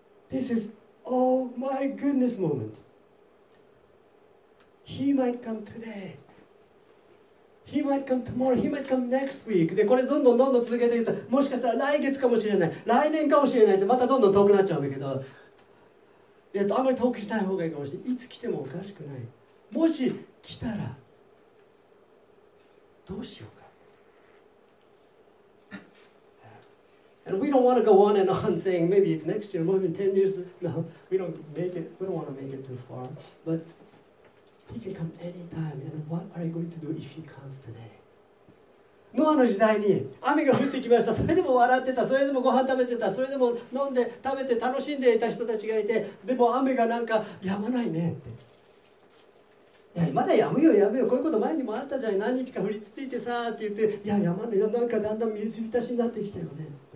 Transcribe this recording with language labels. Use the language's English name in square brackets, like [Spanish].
[English] This is oh my goodness momentHe might come today. He might come tomorrow. He might come next week. [Japanese] で、これどんどんどんどん続けていくと、もしかしたら来月かもしれない、来年かもしれないって、またどんどん遠くなっちゃうんだけど、あまり遠くしない方がいいかもしれない。いつ来てもおかしくない。もし来たら、どうしようか。 [English] And we don't want to go on and on saying, maybe it's next year, maybe 10 years. No, we don't want to make it too far. But,He can come anytime. And what are you going to do if he comes today? [Japanese] ノアの時代に雨が降ってきました。それでも笑ってた。それでもご飯食べてた。それでも飲んで食べて楽しんでいた人たちがいて、でも雨がなんか止まないねって。いやまだ止むよ、止むよ。こういうこと前にもあったじゃん。何日か降り続いてさって言って、いや止まるよ。なんかだんだん水浸しになってきたよねって。